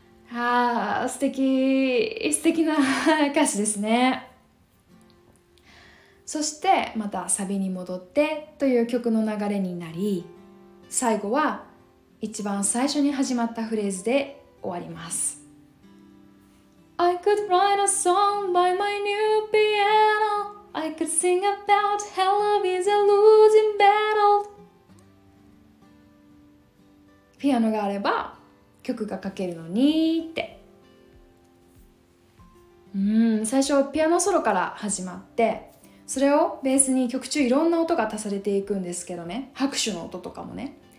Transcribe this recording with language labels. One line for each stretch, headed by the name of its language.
Japanese: あー、素敵、素敵な歌詞ですね。そしてまたサビに戻ってという曲の流れになり、最後は一番最初に始まったフレーズで終わります。
English: I could write a song by my new piano, I could sing about how love is a losing battle。
Japanese: ピアノがあれば曲が書けるのにって。最初ピアノソロから始まって、それをベースに曲中いろんな音が足されていくんですけどね、拍手の音とかもね。